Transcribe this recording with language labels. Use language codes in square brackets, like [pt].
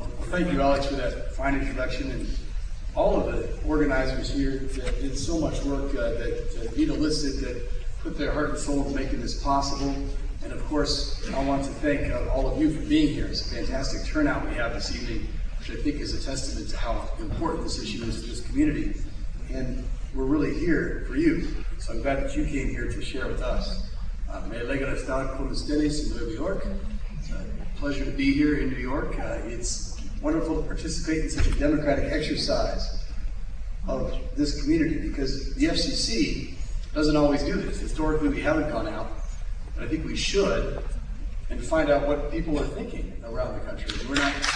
[en] Thank you, Alex, for that fine introduction, and all of the organizers here that did so much work that Vita listed that put their heart and soul into making this possible. And of course, I want to thank all of you for being here. It's a fantastic turnout we have this evening, which I think is a testament to how important this issue is to this community. And we're really here for you, so I'm glad that you came here to share with us. [es] Me alegra estar con ustedes en Nueva York. [en] It's a pleasure to be here in New York. It's wonderful to participate in such a democratic exercise of this community because the FCC doesn't always do this. Historically, we haven't gone out, but I think we should, and find out what people are thinking around the country. We're not.